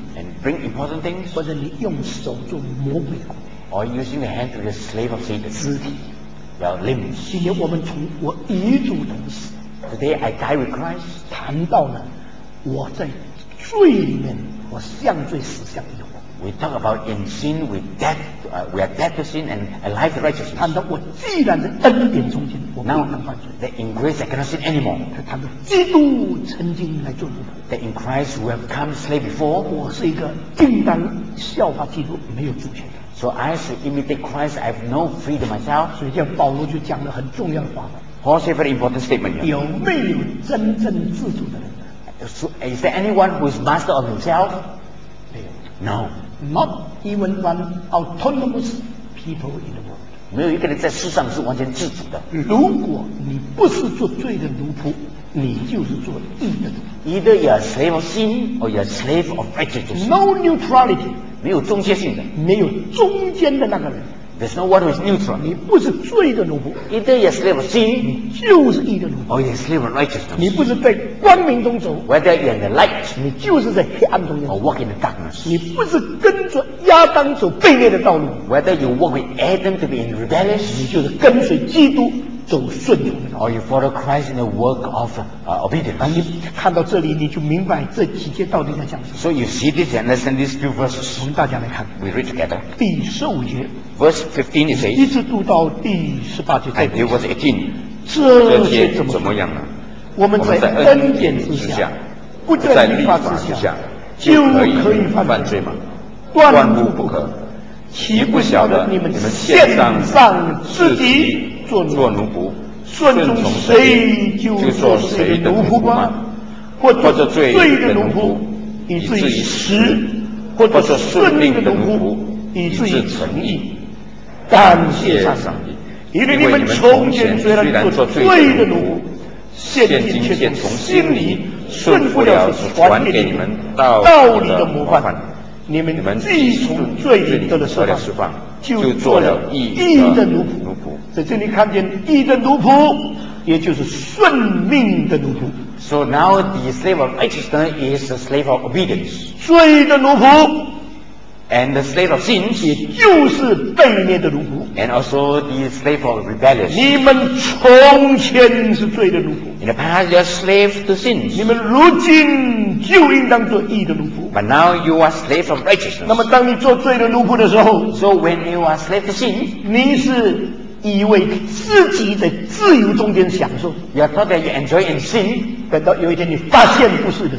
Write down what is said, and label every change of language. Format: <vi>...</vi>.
<en>And bring important things,</en> <zh>或者你用手做魔鬼工</zh> <en>or using the hand to be a slave of Satan.</en> <zh>肢体</zh> <en>your limbs.</en> <zh>今天我们从我遗嘱等死</zh> <en>today I die with Christ.</en> <zh>谈到呢，我在罪里面，我向罪死，向义活。</zh> <en>We talk about in sin we death,we are dead to sin and alive to righteousness.</en> <zh>谈到我既然在恩典中间，我不能犯罪。</zh> <en>That in grace I cannot sin anymore.</en> <zh>谈到基督曾经来做奴仆。</zh> <en>That in Christ we have come slave before.</en> <zh>我是一个应当效法基督，没有主权的。</zh> <en>So I should imitate Christ. I have no freedom myself.</en> <zh>所以保罗就讲了很重要的话。</zh> <en>Paul said a very important statement.</en> <zh>有没有真正自主的人</zh> <en>？So is there anyone who is master of himself? No. Not even one autonomous people in the world.</en> <zh>没有一个人在世上是完全自主的。如果你不是做罪的奴仆，你就是做义的奴仆。</zh> <en>Either you are slave of sin or you are slave of righteousness. No neutrality.</en> <zh>没有中间性的。没有中间的那个人。</zh> <en>There's no one who is neutral.</en> <zh>你不是罪的奴仆。</zh> <en>Either you are slave of sin,</en> <zh>你就是义的奴仆。</zh> <en>Or you are slave of righteousness.</en> <zh>你不是在光明中走。</zh> <en>Whether you are in the light,</en> <zh>你就是在黑暗中走。</zh> <en>Or walk in the darkness.</en> <zh>你不是跟着亚当走悖逆的道路。</zh> <en>Whether you walk with Adam to be in rebellion,</en> <zh>你就是跟随基督。走顺从的道路。</zh> <en>Or you follow Christ in the work of obedience.</en> <zh>啊，你看到这里，你就明白这几节到底在讲什么。</zh> <en>So you see this and understand these two verses.</en> <zh>我们大家来看。</zh> <en>We read together.</en> <zh>第十五节。</zh> <en>Verse 15 it says.</en> <zh>一直读到第十八节。</zh> <en>And it was 18.</en> <zh>这些怎么样呢？我们在恩典之下，不在律法之下，就可以犯罪吗？断乎不可。岂不晓得你们献上自己？做奴仆，顺从谁就做谁的奴仆吗？或者罪的奴仆，以至于死；或者顺命的奴仆，以至于诚意。感谢上帝，因为你们从前虽然做罪的奴仆，现今却从心里顺服了传给你们道理的模范。你们既从罪里得了释放，就做了义的奴仆。在这里看见义的奴仆，也就是顺命的奴仆。</zh> <en>So now the slave of righteousness is the slave of obedience.</en> <zh>罪的奴仆</zh> <en>，and the slave of sin，</en> <zh>也就是悖逆的奴仆。</zh> <en>And also the slave of rebellion.</en> <zh>你们从前是罪的奴仆。</zh> <en>In the past you are slaves to sins.</en> <zh>你们如今就应当做义的奴仆。</zh> <en>But now you are slaves of righteousness.</en> <zh>那么当你做罪的奴仆的时候</zh> <en>，So when you are slave to sin，</en> <zh>你是以为自己在自由中间享受。</zh> <en>You thought that you enjoy in sin，</en> <zh>等到有一天你发现不是的。</zh>